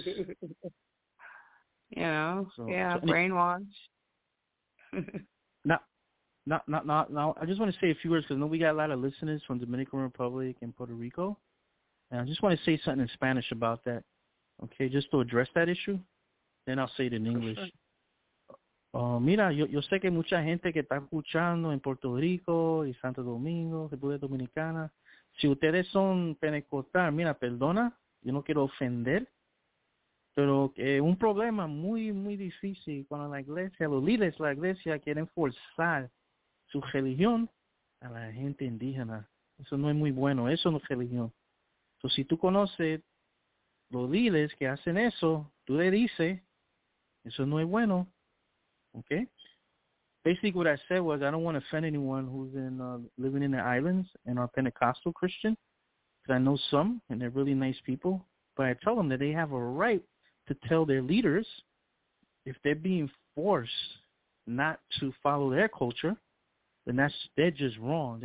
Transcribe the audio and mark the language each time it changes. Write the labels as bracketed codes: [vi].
[en] You know, brainwash. Now, I just want to say a few words because I know we got a lot of listeners from Dominican Republic and Puerto Rico. And I just want to say something in Spanish about that, okay, just to address that issue. Then I'll say it in English. [es] Mira, yo sé que mucha gente que está escuchando en Puerto Rico y Santo Domingo, República Dominicana, si ustedes son pentecostal, mira, perdona, yo no quiero ofender, Pero un problema muy, muy difícil cuando la iglesia, los líderes de la iglesia quieren forzar su religión a la gente indígena. Eso no es muy bueno, eso no es religión. Entonces, si tú conoces los líderes que hacen eso, tú le dices, eso no es bueno, ¿ok? [en] Basically, what I said was, I don't want to offend anyone who's in living in the islands and are Pentecostal Christian, because I know some, and they're really nice people. But I tell them that they have a right to tell their leaders, if they're being forced not to follow their culture, then that's, they're just wrong.